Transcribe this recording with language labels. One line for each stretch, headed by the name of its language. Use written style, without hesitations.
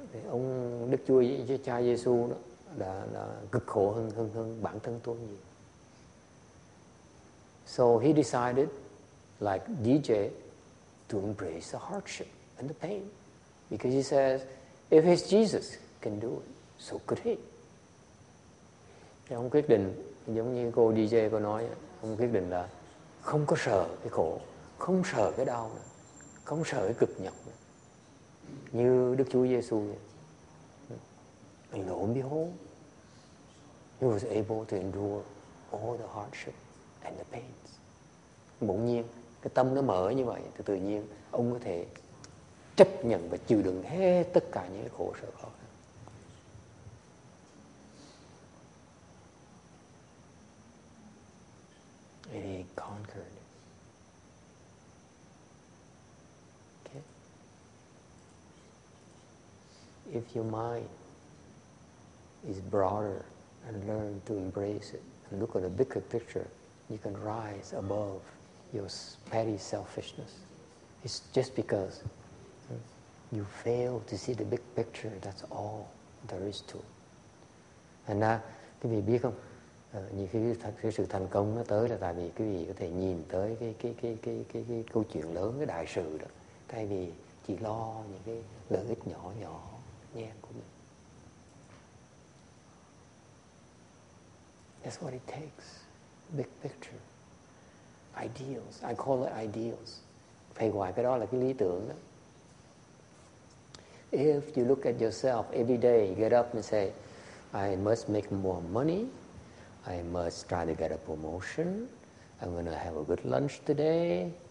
Vietnamese: Ông Đức Chúa Cha Giê-xu đã cực khổ hơn bản thân tôi nhiều.
English: So he decided, like DJ, to embrace the hardship. and the pain. Because he says, if his Jesus can do it, so could he.
Vietnamese: Thì ông quyết định, giống như cô DJ cô nói, ông quyết định là không có sợ cái khổ, không sợ cái đau, không sợ cái cực nhọc. Như Đức Chúa Giê-xu vậy.
English: And lo and behold, he was able to endure all the hardship and the pains.
Vietnamese: Bỗng nhiên, cái tâm nó mở như vậy, thì tự nhiên ông có thể chấp nhận và chịu đựng hết tất cả những khổ sở khó khăn.
English: And he conquered. Okay. If your mind is broader and learn to embrace it and look at a bigger picture, you can rise above your petty selfishness. It's just because you fail to see the big picture, that's all there is to.
Vietnamese: And quý vị biết không? Nhiều khi cái sự thành công nó tới là tại vì quý vị có thể nhìn tới cái câu chuyện lớn, cái đại sự đó, thay vì chỉ lo những cái lợi ích nhỏ nhỏ nhẏ của mình.
English: That's what it takes. Big picture. Ideals. I call it ideals.
Vietnamese: Phải gọi cái đó là cái lý tưởng đó.
English: If you look at yourself every day, you get up and say, I must make more money. I must try to get a promotion. I'm going to have a good lunch today.